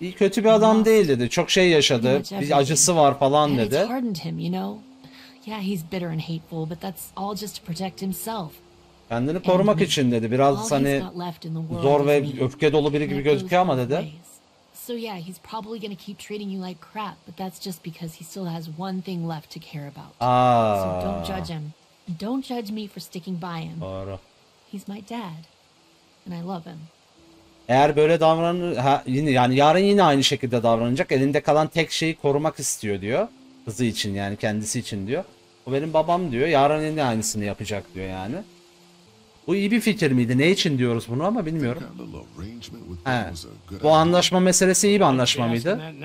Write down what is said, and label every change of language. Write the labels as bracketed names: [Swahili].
[Turkish] İyi kötü bir adam değil dedi. Çok şey yaşadı. Bir acısı var falan dedi. [English] It's hardened him, you know? Yeah, he's bitter and hateful, but that's all just to protect himself. [Turkish] Kendini korumak için dedi. Biraz hani zor ve öfke dolu biri gibi gözüküyor ama dedi. [English] So yeah, he's probably gonna keep treating you like crap, but that's just because he still has one thing left to care about. Aa. So don't judge him. Don't judge me for sticking by him. [Turkish] Doğru. [English] He's my dad, and I love him. [Turkish] Eğer böyle davranır, ha, yine, yani yarın yine aynı şekilde davranacak. Elinde kalan tek şeyi korumak istiyor diyor. Kızı için yani kendisi için diyor. O benim babam diyor. Yarın yine aynısını yapacak diyor yani. Bu iyi bir fikir miydi? Ne için diyoruz bunu ama bilmiyorum. Ha, bu anlaşma meselesi iyi bir anlaşma mıydı?